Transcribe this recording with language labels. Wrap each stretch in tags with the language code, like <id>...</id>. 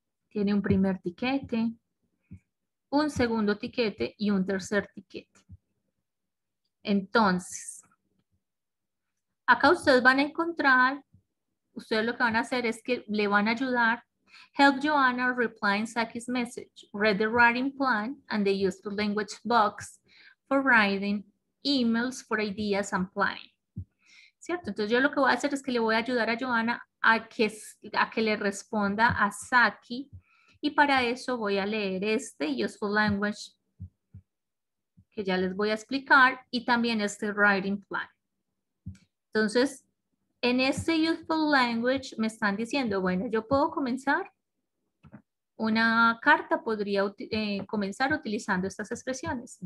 <es>Tiene un primer tiquete, un segundo tiquete y un tercer tiquete. Entonces, acá ustedes van a encontrar, ustedes lo que van a hacer es que le van a ayudar.</es> <en>Help Joanna reply in Saki's message. Read the writing plan and the useful language box for writing emails for ideas and planning.</en> <es>¿Cierto? Entonces yo lo que voy a hacer es que le voy a ayudar a Joanna a que le responda a Saki. Y para eso voy a leer este useful language que ya les voy a explicar y también este writing plan. Entonces, en este useful language me están diciendo, bueno, yo puedo comenzar una carta, podría comenzar utilizando estas expresiones.</es>